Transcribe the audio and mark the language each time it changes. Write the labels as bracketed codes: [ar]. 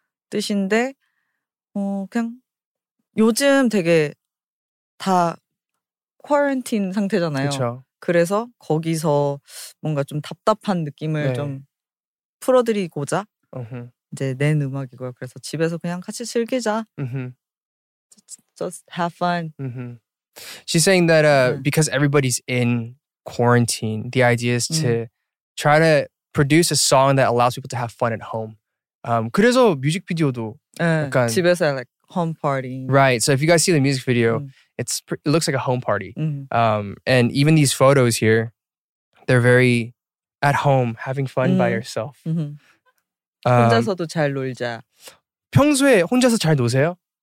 [ko] 뜻인데, 그냥 요즘 되게 다 퀄런틴 상태잖아요. 그쵸. 그래서 거기서 뭔가 좀 답답한 느낌을 네. 좀 풀어드리고자 이제 낸 음악이고요. 그래서 집에서 그냥 같이 즐기자. [en] Just have fun. She's saying that because everybody's in quarantine, the idea is to try to produce a song that allows people to have fun at home. [ko] 그래서 뮤직비디오도 약간 집에서 [en] like home party. Right. So if you guys see the music video, it looks like a home party. And even these photos here, they're very at home, having fun by yourself. [ko] 혼자서도 잘 놀자. 평소에 혼자서 잘 노세요?